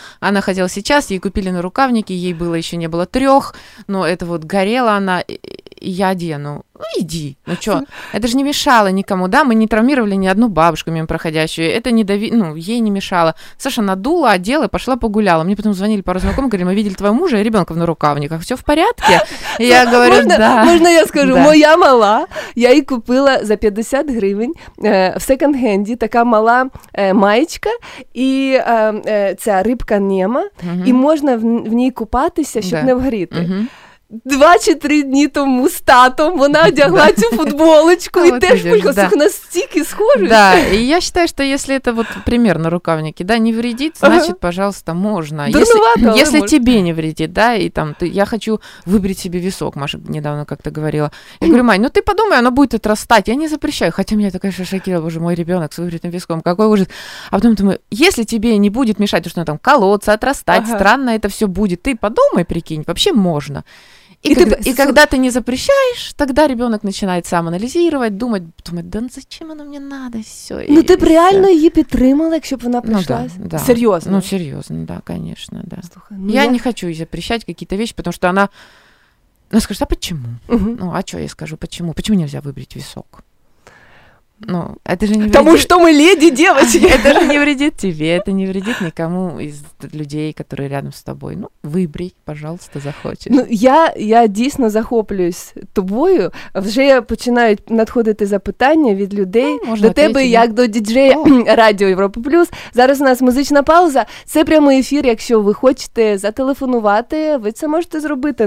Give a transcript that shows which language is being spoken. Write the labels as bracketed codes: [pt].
[ru] Она хотела сейчас, ей купили нарукавники, ей было еще не было 3, но это вот горело она, и я одену. Ну, иди. Ну, что? Это же не мешало никому, да? Мы не травмировали ни одну бабушку мимо проходящую. Это не ну, ей не мешало. Саша надула, одела, пошла погуляла. Мне потом звонили пару знакомых, говорили, мы видели твоего мужа и ребенка в нарукавниках. Все в порядке? И я говорю, можно, да. Можно я скажу? Да. [uk] Моя мала, я ей купила за 50 гривень в секонд-хенді, така мала маечка і ця рибка Нема, і можна в ній купатися, щоб не вгріти. Два чи три дні тому з татом вона одягла цю футболочку, і теж пульхосух настільки схожий. Да, і я вважаю, що якщо це вот примір на рукавники, да, не вредить, значить, пожалуйста, можна. Якщо тобі не вредить, да, і там, я хочу вибрати собі висок, Маша недавно як-то говорила. Я говорю, Мань, ну ти подумай, воно буде відростати, я не запрещаю, хоча мене така шокувала, боже, [ru] мой ребенок [uk] з вибритим виском, [ru] какой ужас. [uk] А потом думаю, якщо тобі не буде мешати, то, що там колоться, відростати, [ru] странно [uk] це все буде, ти подумай, прикинь, вообще можна. [ru] И когда ты не запрещаешь, тогда ребенок начинает сам анализировать, думать, да зачем оно мне надо, все. Ну ты бы реально ее поддерживала, если бы она пришла? Ну, да, да. Серьезно? Ну серьезно, да, конечно, да. Слушай, ну я не хочу ей запрещать какие-то вещи, потому что она... Ну скажет, а почему? Угу. Ну а что я скажу, почему? Почему нельзя выбрить висок? Ну, это же не вредит... Потому что мы леди, девочки! Это же не вредит тебе, это не вредит никому из людей, которые рядом с тобой. Ну, выбери, пожалуйста, захочешь. [uk] Ну, я дійсно захоплююсь тобою. Вже починають надходити запитання від людей до тебе, як до діджея Радіо Європа Плюс. Зараз у нас музична пауза. Це прямий ефір, якщо ви хочете зателефонувати, ви це можете зробити.